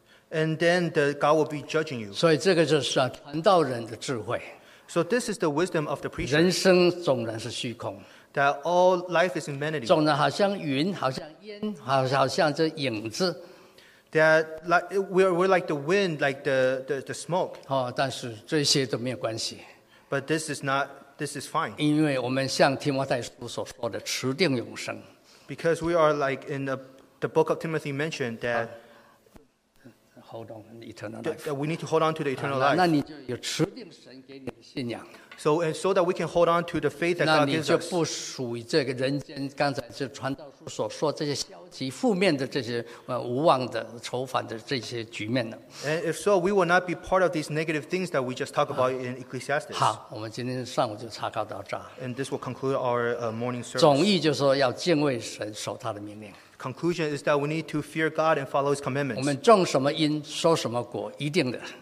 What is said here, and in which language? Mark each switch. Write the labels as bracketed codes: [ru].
[en] And then the God will be judging you. [zh] 所以这个就是啊，传道人的智慧。 [en] So this is the wisdom of the preacher. [zh] 人生纵然是虚空。 [en] That all life is in vanity. [zh] 纵然好像云，好像烟，好像这影子。 [en] That like we're like the wind, like the smoke. [zh] 哦，但是这些都没有关系。 [en] But this is fine. [zh] 因为我们像提摩太书所说的，持定永生。 [en] Because we are like in the book of Timothy mentioned that hold on the eternal life. That we need to hold on to the eternal life. [zh] 那你就有持定神给你的信仰。 [en] So that we can hold on to the faith that God gives us. [zh] 那你就不属于这个人间。刚才就传道书所说这些消极、负面的这些无望的、愁烦的这些局面了。 [en] And if so, we will not be part of these negative things that we just talked about in Ecclesiastes. [zh] 好，我们今天上午就查考到这。 [en] And this will conclude our morning service. [zh] 总意就是说要敬畏神，守他的命令。 [en] Conclusion is that we need to fear God and follow His commandments. [zh] 我们种什么因，收什么果，一定的。